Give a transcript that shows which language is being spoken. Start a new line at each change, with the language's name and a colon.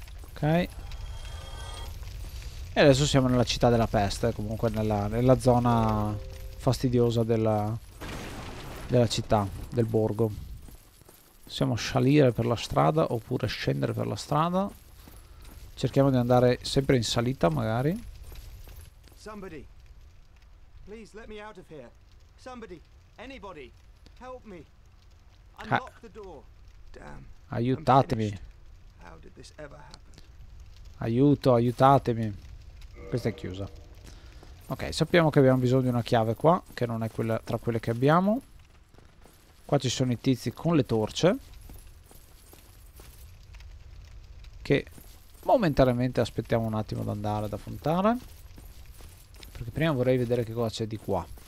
Italian: Ok. E adesso siamo nella città della peste, comunque nella zona fastidiosa della città, del borgo. Possiamo salire per la strada oppure scendere per la strada. Cerchiamo di andare sempre in salita, magari.
English: Somebody. Please let me out of here. Somebody, anybody, help me. Unlock the door. Damn.
Italian: Aiutatemi.
English: How did this ever happen?
Italian: Aiuto, aiutatemi. Questa è chiusa. Ok, sappiamo che abbiamo bisogno di una chiave qua, che non è quella tra quelle che abbiamo. Qua ci sono i tizi con le torce, che momentaneamente aspettiamo un attimo ad andare ad affrontare, perché prima vorrei vedere che cosa c'è di qua.